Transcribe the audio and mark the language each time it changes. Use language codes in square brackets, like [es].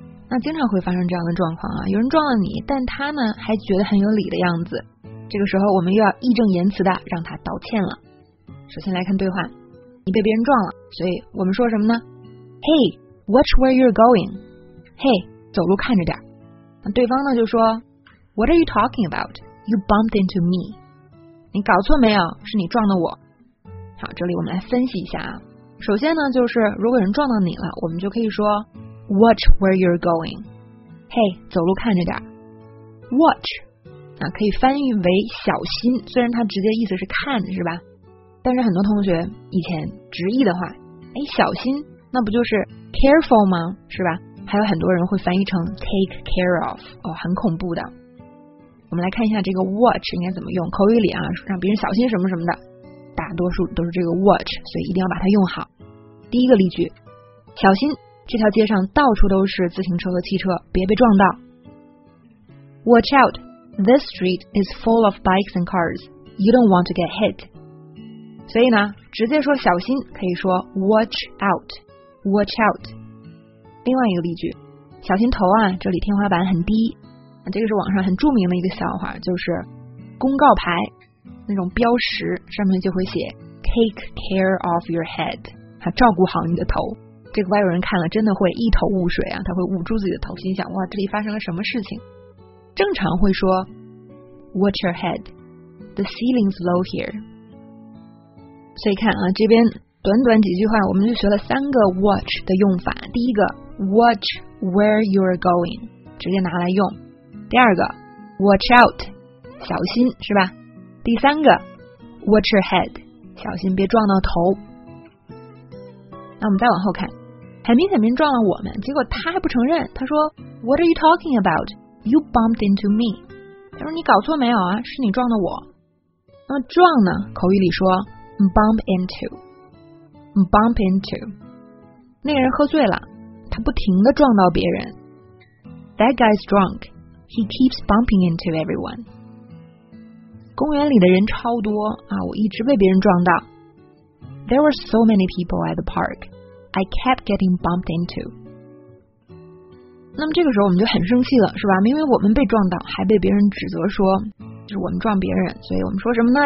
[zh] 那经常会发生这样的状况啊，有人撞了你，但他呢，还觉得很有理的样子，这个时候我们又要义正言辞的让他道歉了。首先来看对话，你被别人撞了，所以我们说什么呢？ [en] Hey, watch where you're going. [zh] Hey, 走路看着点。那对方呢就说， [en] What are you talking about? You bumped into me. [zh] 你搞错没有？是你撞的我。好，这里我们来分析一下啊。首先呢，就是如果人撞到你了，我们就可以说 [en] Watch where you're going. [zh] Hey, 走路看着点。Watch 啊，可以翻译为小心，虽然它直接意思是看，是吧？但是很多同学以前直译的话，哎，小心，那不就是 careful 吗？是吧？还有很多人会翻译成 [en] take care of， [zh] 哦，很恐怖的。我们来看一下这个 watch 应该怎么用，口语里啊，让别人小心什么什么的，大多数都是这个 watch， 所以一定要把它用好。第一个例句，小心，这条街上到处都是自行车和汽车，别被撞到。 [en] Watch out, this street is full of bikes and cars. You don't want to get hit. [zh] 所以呢，直接说小心，可以说 [en] watch out, watch out。 [zh] 另外一个例句，小心头啊，这里天花板很低。这个是网上很著名的一个笑话，就是公告牌那种标识上面就会写 [en] Take care of your head， [zh] 照顾好你的头。这个外国人看了真的会一头雾水啊，他会捂住自己的头，心想哇，这里发生了什么事情。正常会说 [en] Watch your head, the ceiling's low here。 [zh] 所以看啊，这边短短几句话我们就学了三个 watch 的用法。第一个 [en] watch where you're going， [zh] 直接拿来用。第二个 [en] watch out， [zh] 小心，是吧？第三个 [en] watch your head， [zh] 小心别撞到头。那我们再往后看，很明显别人撞了我们，结果他还不承认，他说 [en] What are you talking about? You bumped into me。 [zh] 他说你搞错没有啊，是你撞的我。那撞呢，口语里说 [en] bump into， bump into， [zh] 那个人喝醉了，他不停地撞到别人。 [en] That guy's drunkHe keeps bumping into everyone. [zh] 公园里的人超多啊，我一直被别人撞到。 [en] There were so many people at the park. I kept getting bumped into. [zh] 那么这个时候我们就很生气了，是吧？明明我们被撞到，还被别人指责说，就是我们撞别人，所以我们说什么呢？